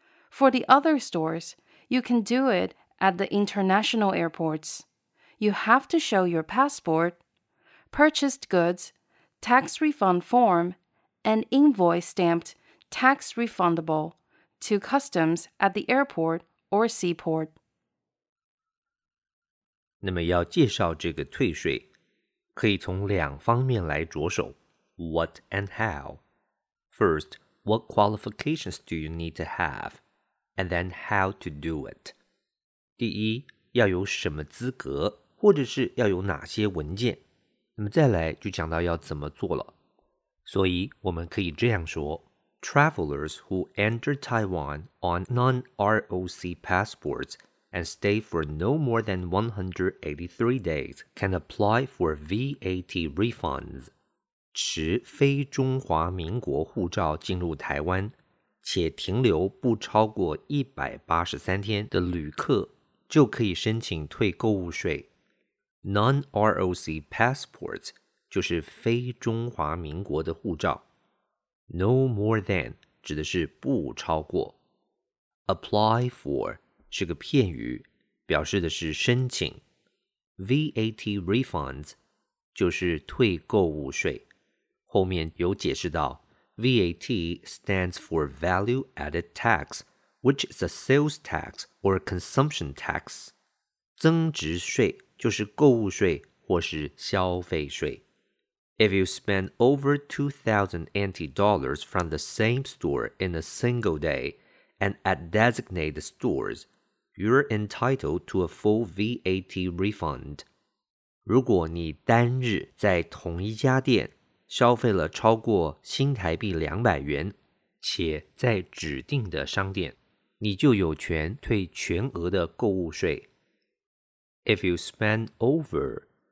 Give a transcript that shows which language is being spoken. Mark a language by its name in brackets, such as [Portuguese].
[English] For the other stores, you can do it at the international airports. You have to show your passport, purchased goods, tax refund form, and invoice stamped tax refundable to customs at the airport or seaport. [Chinese] 那么要介绍这个退税，可以从两方面来着手。 [English] What and how? First, what qualifications do you need to have? And then how to do it? [Chinese] 第一，要有什么资格，或者是要有哪些文件？那么再来就讲到要怎么做了。所以我们可以这样说 [English] Travelers who enter Taiwan on non-ROC passports and stay for no more than 183 days can apply for VAT refunds. [Chinese] 持非中华民国护照进入台湾且停留不超过183天的旅客就可以申请退购物税。 [English] Non-ROC passports [Chinese] 就是非中华民国的护照。 [English] No more than [Chinese] 指的是不超过。 [English] Apply for [Chinese] 是个片语表示的是申请。 [English] VAT refunds [Chinese] 就是退购物税。后面有解释到 [English] VAT stands for Value Added Tax, which is a sales tax or a consumption tax. [Chinese] 增值税就是购物税或是消费税。 [English] If you spend over 2,000 NT dollars from the same store in a single day and at designated stores, you're entitled to a full VAT refund. [Chinese] 如果你单日在同一家店消费了超过新台币200元且在指定的商店你就有权退全额的购物税。 [English] If you spend over,